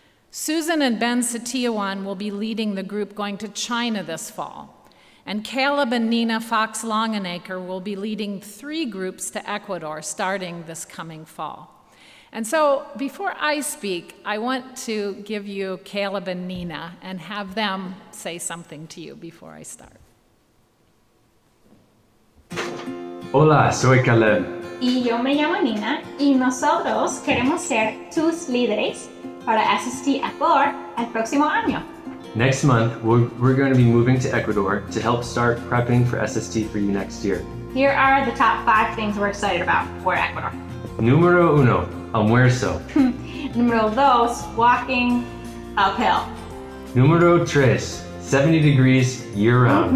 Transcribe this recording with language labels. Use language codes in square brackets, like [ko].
[en] Susan and Ben Satiawan will be leading the group going to China this fall, and Caleb and Nina Fox Longenacre will be leading three groups to Ecuador starting this coming fall. And so before I speak, I want to give you Caleb and Nina and have them say something to you before I start. [es] Hola, soy Caleb. Y yo me llamo Nina, y nosotros queremos ser tus líderes para SST Ecuador el próximo año. [en] Next month, we're going to be moving to Ecuador to help start prepping for SST for you next year. Here are the top five things we're excited about for Ecuador. [es] Número uno, almuerzo. Número dos, [en] walking uphill. [es] Número tres, [en] 70 degrees year-round.